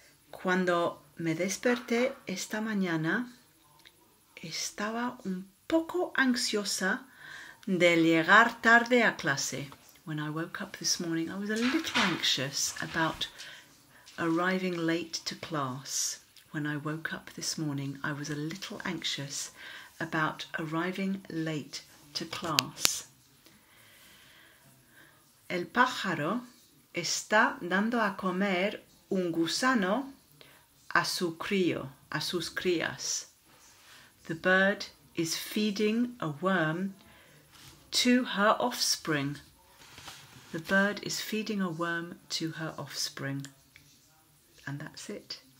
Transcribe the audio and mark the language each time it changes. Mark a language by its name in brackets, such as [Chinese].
[Spanish] Cuando me desperté esta mañana, estaba un poco ansiosa de llegar tarde a clase. [English] When I woke up this morning, I was a little anxious about arriving late to class. When I woke up this morning, I was a little anxious about arriving late to class. [Spanish] El pájaro está dando a comer un gusano a su crío, a sus crías. [English] The bird is feeding a worm to her offspring. The bird is feeding a worm to her offspring. And that's it.